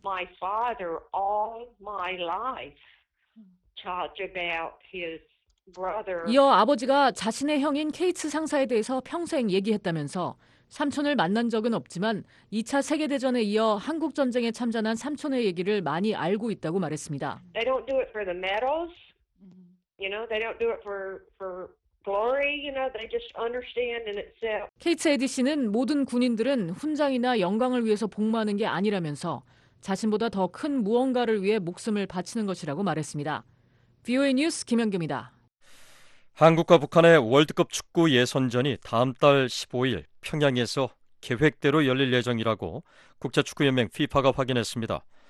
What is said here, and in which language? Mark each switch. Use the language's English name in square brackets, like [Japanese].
[English] My father all my life. About his brother. [Korean] 이어 아버지가 자신의 형인 케이츠 상사에 대해서 평생 얘기했다면서 삼촌을 만난 적은 없지만 2차 세계대전에 이어 한국전쟁에 참전한 삼촌의 얘기를 많이 알고 있다고 말했습니다. [English] They don't do it for the medals. You know, they don't do it for glory. You know, they just understand in itself. [Korean] 케이츠 에디 씨는 모든 군인들은 훈장이나 영광을 위해서 복무하는 게 아니라면서 자신보다 더 큰 무언가를 위해 목숨을 바치는 것이라고 말했습니다. VOA 뉴스 김연규입니다. 한국과 북한의 월드컵 축구 예선전이 다음 달 15일 평양에서 계획대로 열릴 예정이라고 국제축구연맹 FIFA가 확인했습니다.